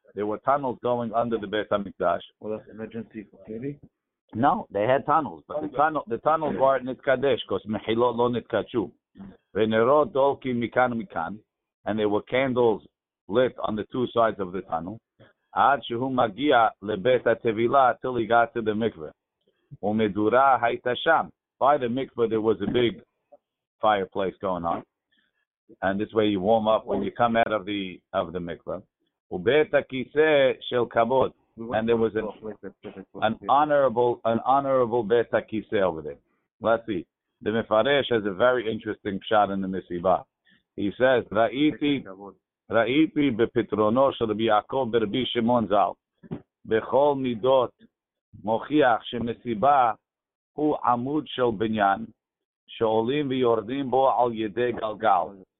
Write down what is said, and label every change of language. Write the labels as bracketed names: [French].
[English] There were tunnels going under the Beit HaMikdash. Well, that's emergency for keri? No, they had tunnels, but the tunnels weren't nitkadesh, because [Hebrew] mechilot lo nitkachu. Venerot dolki mikan mikan, [English] and there were candles lit on the two sides of the tunnel. [Hebrew] עד שהוא מגיע לבית התבילה [English] till he got to the mikveh. [Hebrew] ומדורה הייתה שם. [English] By the mikveh there was a big fireplace going on. And this way you warm up when you come out of the mikveh. [Hebrew] ובית הכיסא של כבוד. [English] And there was an honorable בית הכיסא over there. Let's see. The Mefaresh has a very interesting shot in the Misibah. He says, [Hebrew] ראיתי בפתרונו של רבי יעקב ברבי שמעון ז"ל בכל מידות מוכיח שמסיבה הוא עמוד של בניין שעולים ויורדים בו על ידי גלגל.